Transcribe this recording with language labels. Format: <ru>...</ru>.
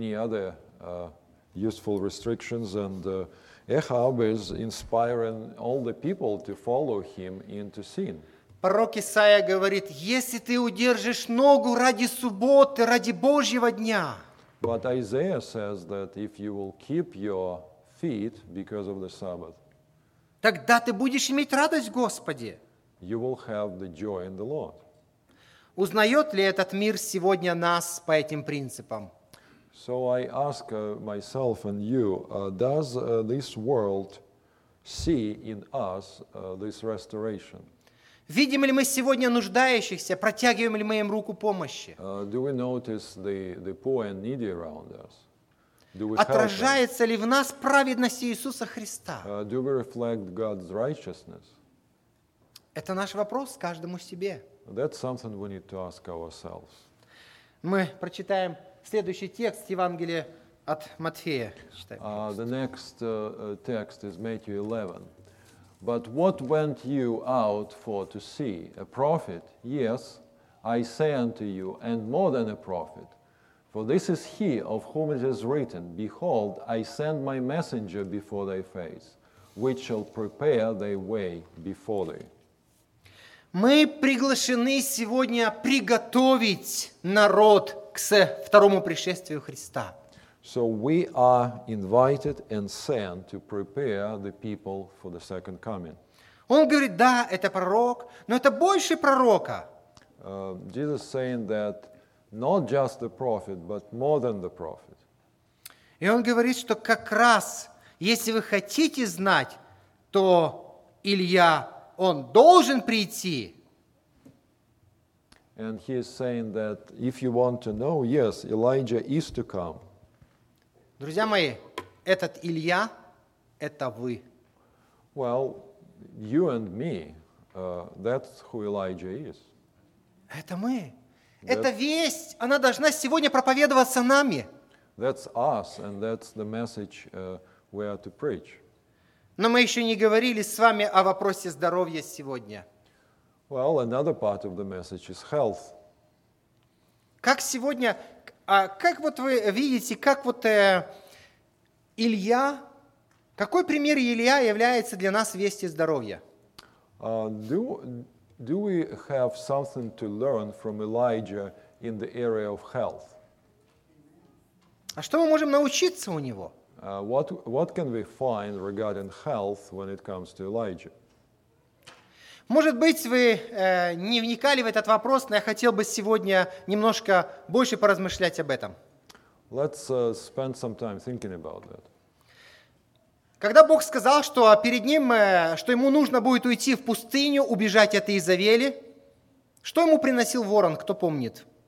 <en>Any other useful restrictions, and Ahab is inspiring all the people to follow him into sin.</en> <ru>Пророк Исаия говорит: "Если ты удержишь ногу ради субботы, ради Божьего дня."</ru> <en>But Isaiah says that if you will keep your feet because of the Sabbath,</en> <ru>тогда ты будешь иметь радость в Господе.</ru> <en>You will have the joy in the Lord.</en> <ru>Узнает ли этот мир сегодня нас по этим принципам?</ru> <en>So I ask myself and you, does this world see in us this restoration?</en> <ru>Видим ли мы сегодня нуждающихся, протягиваем ли мы им руку помощи?</ru> <en>Do we notice the poor and needy around us? Do we</en> <ru>Отражается ли в нас праведность Иисуса Христа?</ru> <en>Do we reflect God's righteousness?</en> <ru>Это наш вопрос каждому себе.</ru> <en>That's something we need to ask ourselves.</en> <ru>Мы прочитаем следующий текст Евангелия от Матфея.</ru> <en>The next text is Matthew 11. But what went you out for to see? A prophet? Yes, I say unto you, and more than a prophet. For this is he of whom it is written, Behold, I send my messenger before thy face, which shall prepare thy way before thee.</en> <ru>Мы приглашены сегодня приготовить народ к второму пришествию Христа.</ru> <en>So we are invited and sent to prepare the people for the second coming.</en> <ru>Он говорит: "Да, это пророк, но это больше пророка."</ru> <en>Jesus saying that not just the prophet, but more than the prophet.</en> <ru>И он говорит, что как раз, если вы хотите знать, то Илья, он должен прийти.</ru> <en>And he is saying that if you want to know, yes, Elijah is to come.</en> <ru>Друзья мои, этот Илья – это вы.</ru> <en>Well, you and me, that's who Elijah is.</en> <ru>Это мы. Это весть, она должна сегодня проповедоваться нами.</ru> <en>That's us, and that's the message we are to preach.</en> <ru>Но мы еще не говорили с вами о вопросе здоровья сегодня.</ru> <en>Well, another part of the message is health.</en> <ru>Как сегодня, как вот вы видите, как вот Илья, какой пример Илья является для нас вести здоровья?</ru> <en>Do we have something to learn from Elijah in the area of health?</en> <ru>А что мы можем научиться у него?</ru> <en>What can we find regarding health when it comes to Elijah?</en> <ru>Может быть, вы не вникали в этот вопрос, но я хотел бы сегодня немножко больше поразмышлять об этом.</ru> <en>Let's spend some time thinking about that.</en> <ru>Когда Бог сказал, что перед ним, что ему нужно будет уйти в пустыню, убежать от Иезавели, что ему приносил ворон, кто помнит?</ru>